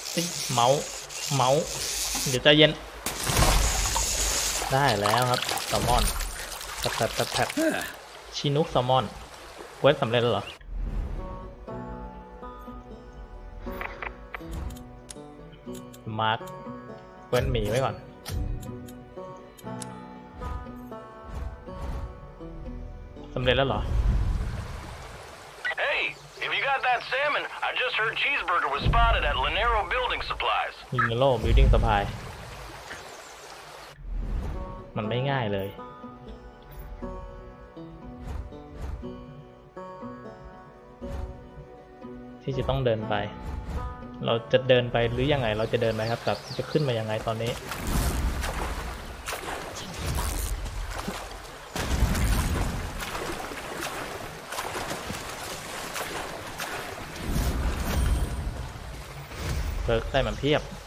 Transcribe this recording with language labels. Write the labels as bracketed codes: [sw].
[th] วเมาส์เดี๋ยวใจเย็นได้แล้วครับแซลมอนแทบชินุกแซลมอนเควสสำเร็จแล้วเหรอมาร์คเควสหมีไว้ก่อนสำเร็จแล้วเหรอ [en] Hey if you got that salmon I just heard cheeseburger was spotted at Linero Building Supplies [th] Linero Building Supply มันไม่ง่ายเลยส ที่จะต้องเดินไปเราจะเดินไปหรือยังไงเราจะเดินไหมครับกับจะขึ้นมายังไงตอนนี้เพิกได้มันเพียบ